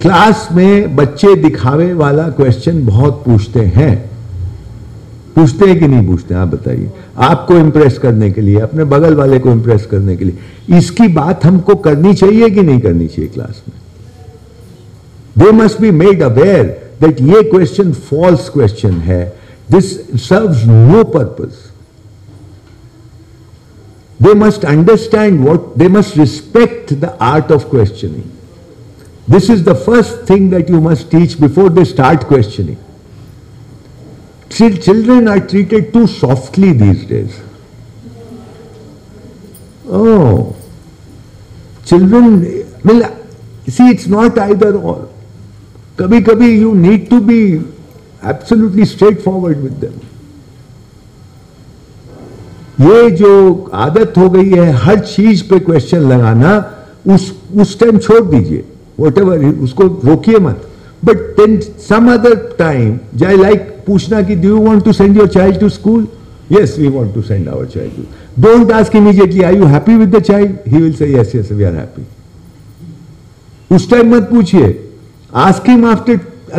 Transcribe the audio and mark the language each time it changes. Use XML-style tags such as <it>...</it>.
<hi>Class में बच्चे दिखावे वाला क्वेश्चन बहुत पूछते हैं, पूछते हैं कि नहीं पूछते हैं, आप बताइए, आपको इंप्रेस करने के लिए, अपने बगल वाले को इंप्रेस करने के लिए। इसकी बात हमको करनी चाहिए कि नहीं करनी चाहिए क्लास में?</hi> <en>They must be made aware that ये question false question है, this serves no purpose. They must understand what, they must respect the art of questioning. This is the first thing that you must teach before they start questioning. Children are treated too softly these days. Oh, children, well, see, it's not either or.</en> <hi>Kabhi kabhi</hi> <en>you need to be absolutely straightforward with them.</en> <hi>ये जो आदत हो गई है हर चीज पे question लगाना, उस टाइम छोड़ दीजिए,</hi> <en>whatever,</en> <hi>उसको रोकिए मत।</hi> <en>But then some other time जाय, like पूछना कि do you want to send your child to school, yes we want to send our child to, don't ask immediately are you happy with the child, he will say yes yes we are happy.</en> <hi>उस time मत पूछिए,</hi> <en>ask him after</en>